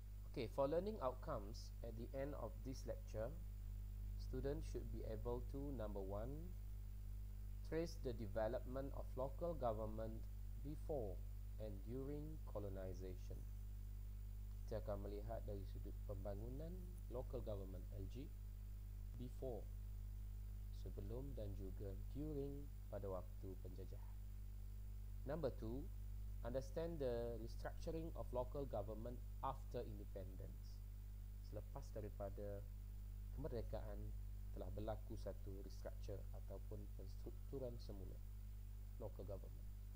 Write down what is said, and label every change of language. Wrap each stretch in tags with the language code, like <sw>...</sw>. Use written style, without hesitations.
<en>Okay, for learning outcomes, at the end of this lecture, students should be able to, number one, trace the development of local government before and during colonization.</en> <ms>Kita akan melihat dari sudut pembangunan local government LG, before, sebelum dan juga during pada waktu penjajahan.</ms> <en>Number two, understand the restructuring of local government after independence.</en> <ms>Selepas daripada kemerdekaan, telah berlaku satu restructure ataupun penstrukturan semula local government.</ms>